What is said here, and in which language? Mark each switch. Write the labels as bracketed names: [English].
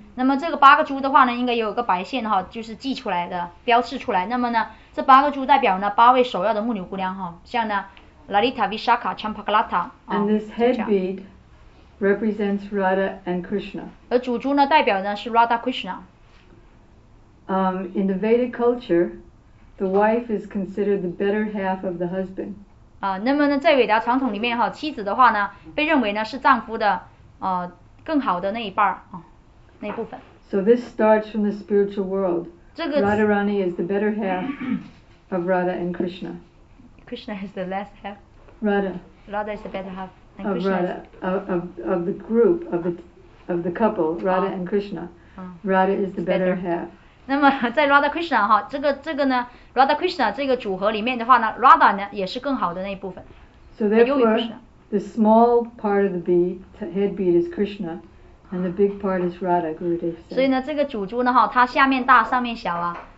[Chinese] 那么这个八个珠的话呢，应该有个白线哈，就是记出来的，标示出来。那么呢，这八个珠代表呢八位首要的牧牛姑娘哈，像呢 ，Lalita, Vishakha, Champakalita。 [English] And this head bead represents Radha and Krishna. [Chinese] 而主珠呢，代表呢是 Radha Krishna。 [English] In the Vedic culture, the wife is considered the better half of the husband. [Chinese] 啊，那么呢，在韦达传统里面哈，妻子的话呢，被认为呢是丈夫的更好的那一半儿啊。 [English] So this starts from the spiritual world. Radharani is the better half of Radha and Krishna. Krishna is the less half. Radha. Radha is the better half. Of Radha, of the group, of the couple, Radha and Krishna. Radha is the better half. [Chinese] 那么在 Radha Krishna 哈，这个呢 ，Radha Krishna 这个组合里面的话呢 ，Radha 呢也是更好的那一部分。 [English] So therefore, the small part of the bead, head bead, is Krishna. And the big part is Radha, Gurudev said. [Chinese] 所以呢，这个主珠呢，哈，它下面大，上面小啊。